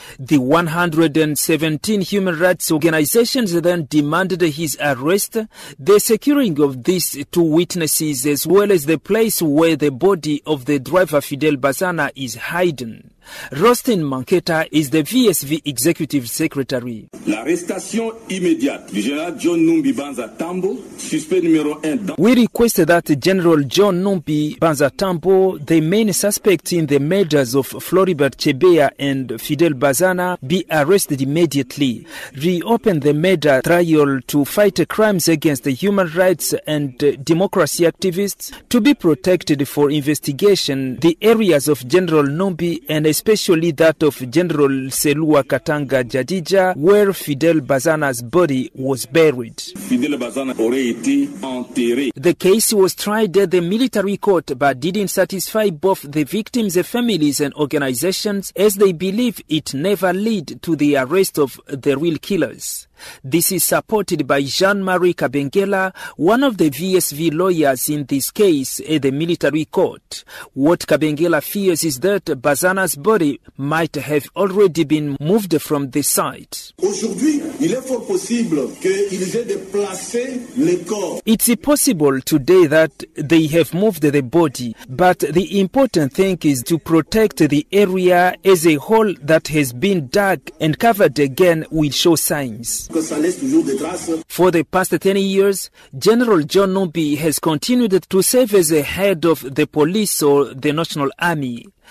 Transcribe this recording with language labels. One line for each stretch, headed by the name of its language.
English: The 117 human rights organizations then demanded his arrest, the securing of these two witnesses, as well as the place where the body of the driver Fidel Bazana is hidden. Rostin Manketa is the VSV executive secretary.
French: L'arrestation immédiate du général John Numbi Banza Tambo, suspect numéro 1.
English: We request that General John Numbi Banza Tambo, the main suspect in the murders of Floribert Chebeya and Fidel Bazana, be arrested immediately. Reopen the murder trial to fight crimes against the human rights and democracy activists to be protected for investigation. The areas of General Numbi and especially that of General Selua Katanga Jadija, where Fidel Bazana's body was buried.
French: Fidel Bazana aurait été enterré.
English: The case was tried at the military court but didn't satisfy both the victims' families and organizations, as they believe it never led to the arrest of the real killers. This is supported by Jean-Marie Kabengela, one of the VSV lawyers in this case at the military court. What Kabengela fears is that Bazana's body might have already been moved from the site.
French: Aujourd'hui, il est fort possible qu'ils aient déplacé le corps.
English: It's possible today that they have moved the body, but the important thing is to protect the area as a whole that has been dug and covered again will show signs. For the past 10 years, General John Numbi has continued to serve as a head of the police or the National Army.